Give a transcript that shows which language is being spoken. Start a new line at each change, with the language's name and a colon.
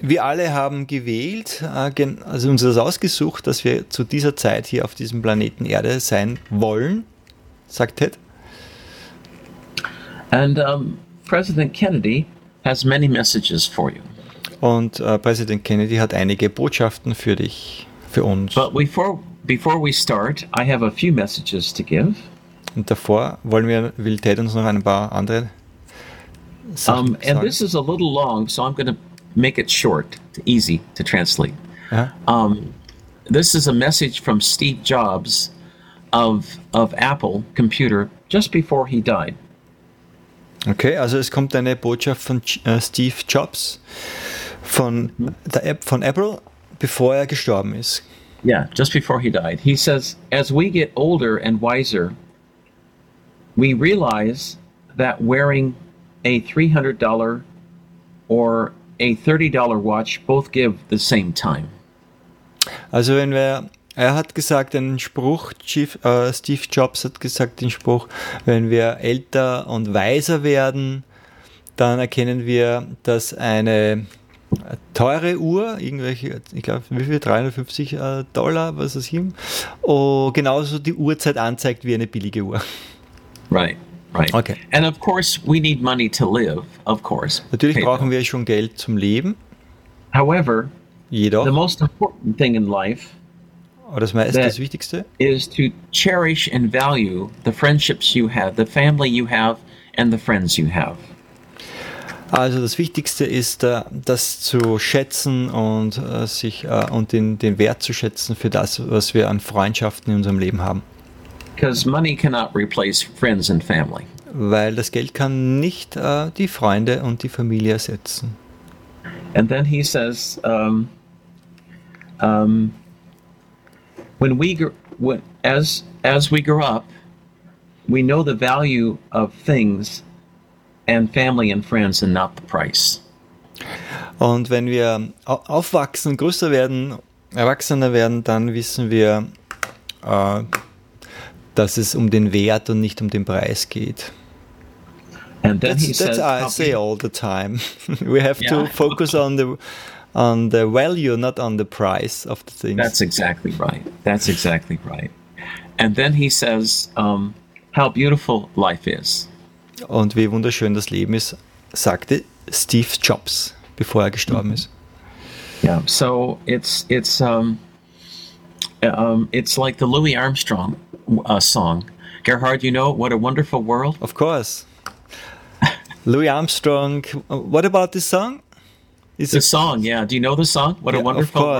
German: Wir alle haben gewählt, also uns das ausgesucht, dass wir zu dieser Zeit hier auf diesem Planeten Erde sein wollen, sagt Ted.
English: And President Kennedy has many messages for you.
German: Und Präsident Kennedy hat einige Botschaften für dich, für uns.
English: But before we start, I have a few messages to give.
German: Und davor will Ted uns noch ein paar andere
English: And this is a little long, so I'm going to make it short, easy to translate. This is a message from Steve Jobs of Apple Computer just before he died.
German: Okay, also es kommt eine Botschaft von Steve Jobs von der App von Apple, bevor er gestorben ist.
English: Yeah, just before he died. He says, as we get older and wiser, we realize that wearing a $300 or a $30 watch both give the same time.
German: Also wenn wir, er hat gesagt einen Spruch, Steve Jobs hat gesagt den Spruch, wenn wir älter und weiser werden, dann erkennen wir, dass eine teure Uhr, irgendwelche, ich glaube, wie viel, $350, was ist ihm, genauso die Uhrzeit anzeigt wie eine billige Uhr.
English: Right, right. Okay. And of course we need money to live, of course.
German: Natürlich brauchen wir schon Geld zum Leben.
English: However,
German: jedoch,
English: the most important thing in life,
German: das meiste, das Wichtigste,
English: is to cherish and value the friendships you have, the family you have and the friends you have.
German: Also das Wichtigste ist, das zu schätzen und sich und den Wert zu schätzen für das, was wir an Freundschaften in unserem Leben haben.
English: Because money cannot replace friends and family.
German: Weil das Geld kann nicht die Freunde und die Familie ersetzen.
English: And then he says, when we grow up, we know the value of things and family and friends and not the price.
German: Und wenn wir aufwachsen, größer werden, erwachsener werden, dann wissen wir, dass es um den Wert und nicht um den Preis geht.
English: And then I say all the time. We have to focus on the value, not on the price of the things. That's exactly right. That's exactly right. And then he says, how beautiful life is.
German: Und wie wunderschön das Leben ist, sagte Steve Jobs, bevor er gestorben ist.
English: Yeah, so it's like the Louis Armstrong song. Gerhard, you know, What a Wonderful World? Of course. Louis Armstrong, what about this song? It's the song, yeah. Do you know the song? What a Wonderful World?